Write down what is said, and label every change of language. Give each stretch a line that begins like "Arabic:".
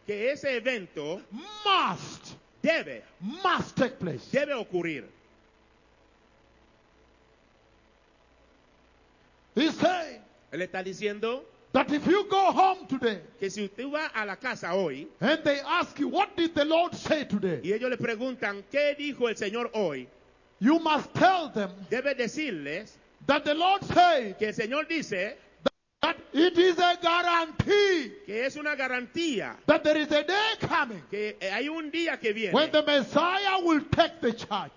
Spanish: Que ese evento.
English: Must.
Spanish: Debe.
English: Must take place.
Spanish: Debe ocurrir.
English: He's saying.
Spanish: Él está diciendo.
English: That if you go home today.
Spanish: Que si usted va a la casa hoy.
English: And they ask you, what did the Lord say today?
Spanish: Y ellos le preguntan, ¿qué dijo el Señor hoy?
English: You must tell them.
Spanish: Debe decirles.
English: That the Lord said.
Spanish: Que el Señor dice.
English: That it is a guarantee.
Spanish: Que es una garantía.
English: That there is a day coming.
Spanish: Que hay un día que viene.
English: When the Messiah will take the charge.